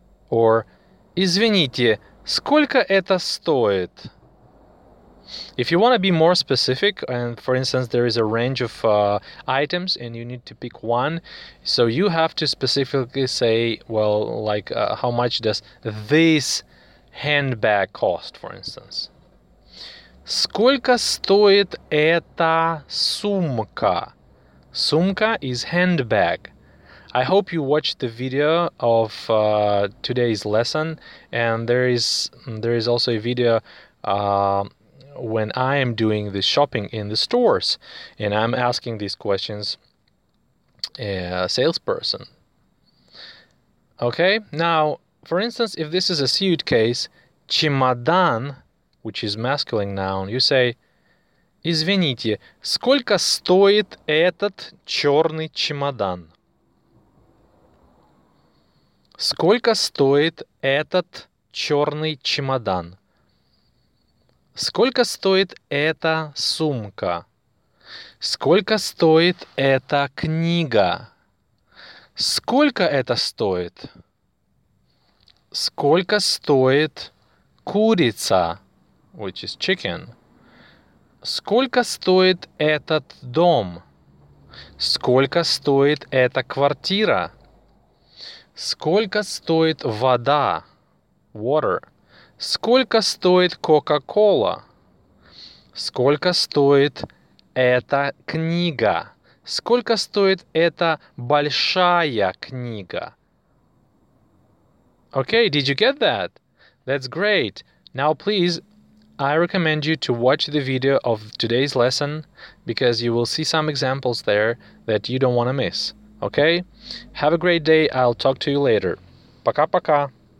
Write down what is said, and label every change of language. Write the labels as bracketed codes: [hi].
[ru] Or, извините, сколько это стоит? [en] If you want to be more specific, and for instance, there is a range of items and you need to pick one, so you have to specifically say, well, like, how much does this handbag cost, for instance? [ru] Сколько стоит эта сумка? [en] Сумка is handbag. I hope you watched the video of today's lesson, and there is also a video when I am doing the shopping in the stores, and I'm asking these questions a salesperson. Okay, now, for instance, if this is a suitcase, чемодан, which is masculine noun, you say, [ru] извините, сколько стоит этот черный чемодан? Сколько стоит этот черный чемодан? Сколько стоит эта сумка? Сколько стоит эта книга? Сколько это стоит? Сколько стоит курица? [en] Which is chicken. [ru] Сколько стоит этот дом? Сколько стоит эта квартира? Сколько стоит вода? [en] Water. [ru] Сколько стоит Coca-Cola? Сколько стоит эта книга? Сколько стоит эта большая книга? [en] Okay, did you get that? That's great. Now, please, I recommend you to watch the video of today's lesson because you will see some examples there that you don't want to miss. Okay? Have a great day. I'll talk to you later. [ru] Пока-пока.